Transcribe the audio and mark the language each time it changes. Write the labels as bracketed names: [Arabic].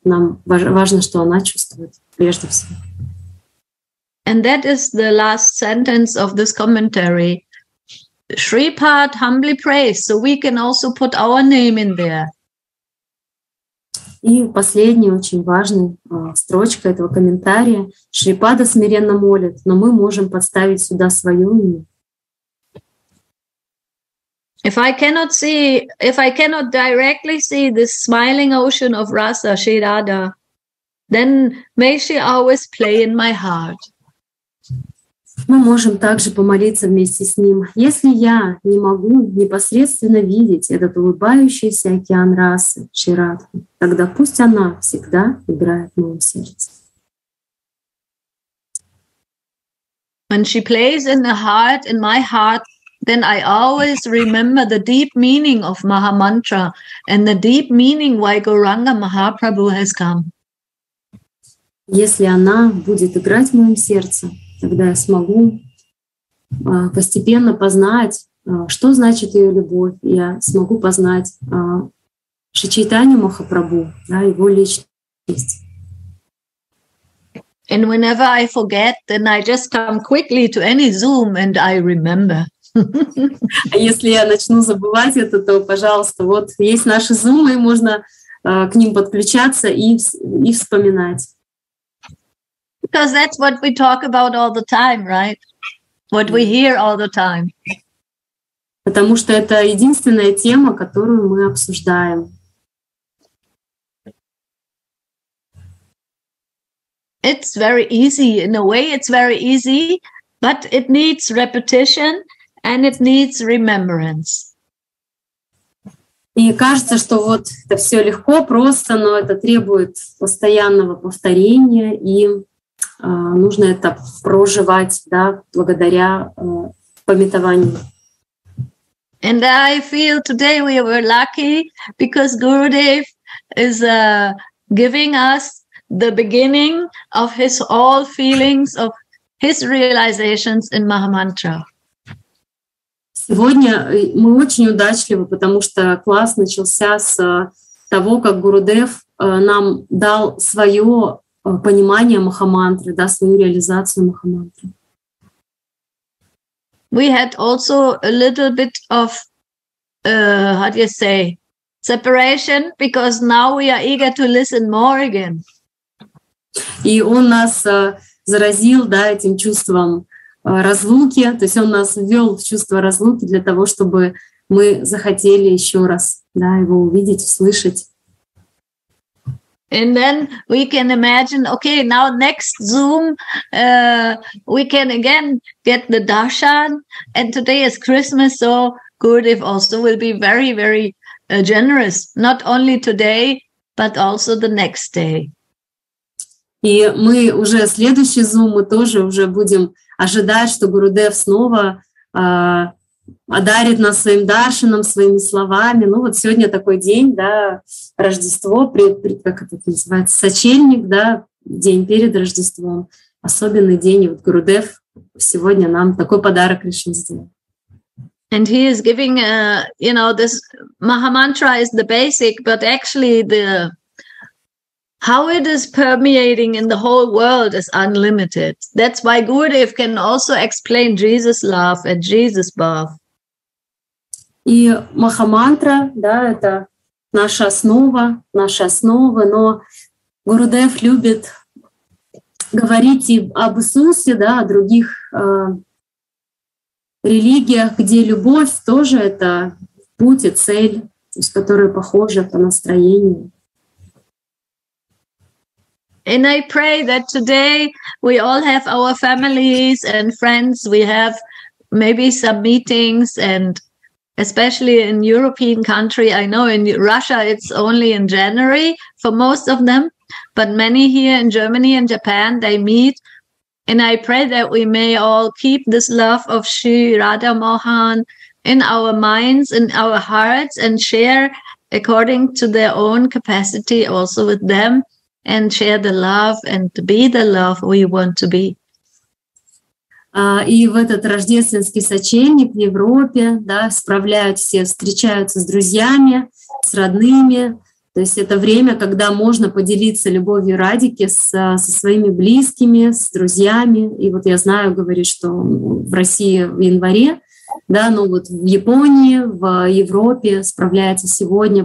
[Russian] Нам важно, что она чувствует прежде всего. [English] And that is the last sentence of this commentary. Shripad humbly prays, so we can also put our name in there. [Russian] И последняя очень важная строчка этого комментария. Шрипада смиренно молит, но мы можем подставить сюда свое имя. [English] If I cannot directly see this smiling ocean of Rasa, Shri Radha, then may she always play in my heart. [Russian] Мы можем также помолиться вместе с ним. Если я не могу непосредственно видеть этот улыбающийся океан расы, Ширадху, тогда пусть она всегда играет в моем сердце. [English] When she plays in the heart, in my heart, then I always remember the deep meaning of Maha Mantra and the deep meaning why Gauranga Mahaprabhu has come. [Russian] Если она будет играть в моем сердце, тогда я смогу постепенно познать, что значит ее любовь. Я смогу познать Шри Чайтанью Махапрабху, да, его личность. [English] And whenever I forget, then I just come quickly to any Zoom and I remember. [Russian] А если я начну забывать это, то, пожалуйста, вот есть наши Zoom, и можно к ним подключаться и вспоминать. [English] Because that's what we talk about all the time, right? What we hear all the time. [Russian] Потому что это единственная тема, которую мы обсуждаем. [English] It's very easy. In a way, it's very easy, but it needs repetition and it needs remembrance. [Russian] И кажется, что вот это все легко, просто, но это требует постоянного повторения и нужно это проживать, да, благодаря памятованию. [English] And I feel today we were lucky because Gurudev is giving us the beginning of his all feelings of his realizations in Mahamantra. [Russian] Сегодня мы очень удачливы, потому что класс начался с того, как Гурудев нам дал свое понимание Махамантры, да, свою реализацию Махамантры. [English] We had also a little bit of, how do you say, separation, because now we are eager to listen more again. [Russian] И он нас заразил, да, этим чувством разлуки, то есть он нас ввел в чувство разлуки для того, чтобы мы захотели еще раз, да, его увидеть, услышать. [English] And then we can imagine, okay, now next Zoom, we can again get the darshan. And today is Christmas, so Gurudev also will be very, very generous, not only today, but also the next day. [Russian] И мы уже следующий Zoom, мы тоже уже будем ожидать, что Гурудев снова одарит нас своим даршином, своими словами. Ну вот сегодня такой день, да, Рождество, как это называется, сочельник, да, день перед Рождеством, особенный день. И вот Гурудев сегодня нам такой подарок решил сделать. [English] And he is giving, you know, this Mahamantra is the basic, but actually the how it is permeating in the whole world is unlimited. That's why Gurudev can also explain Jesus' love and Jesus' bath. [Russian] И Махамантра, да, это наша основа, но Гурудев любит говорить и об Иисусе, да, о других религиях, где любовь тоже это путь и цель, то есть которые похожи по настроению. [English] And I pray that today we all have our families and friends, we have maybe some meetings and especially in European country, I know in Russia it's only in January for most of them, but many here in Germany and Japan, they meet And I pray that we may all keep this love of Sri Radha Mohan in our minds, in our hearts, and share according to their own capacity also with them, and share the love and be the love we want to be. [Russian] И в этот рождественский сочельник в Европе, да, справляют все, встречаются с друзьями, с родными. То есть это время, когда можно поделиться любовью Радики со своими близкими, с друзьями. И вот я знаю, говорит, что в России в январе, да, но вот в Японии, в Европе справляется сегодня.